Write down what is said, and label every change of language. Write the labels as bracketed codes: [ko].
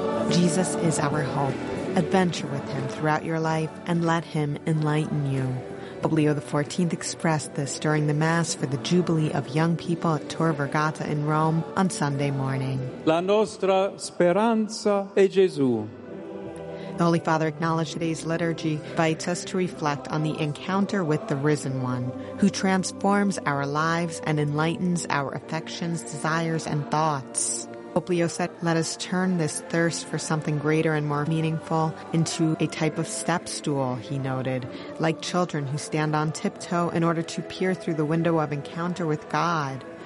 [en] Jesus is our hope. Adventure with him throughout your life and let him enlighten you. Pope Leo XIV expressed this during the Mass for the Jubilee of Young People at Tor Vergata in Rome on Sunday morning. [it] La nostra speranza è Gesù. [en] The Holy Father acknowledged today's liturgy invites us to reflect on the encounter with the Risen One, who transforms our lives and enlightens our affections, desires, and thoughts. Pope Leo said, "Let us turn this thirst for something greater and more meaningful into a type of step stool," he noted, "like children who stand on tiptoe in order to peer through the window of encounter with God.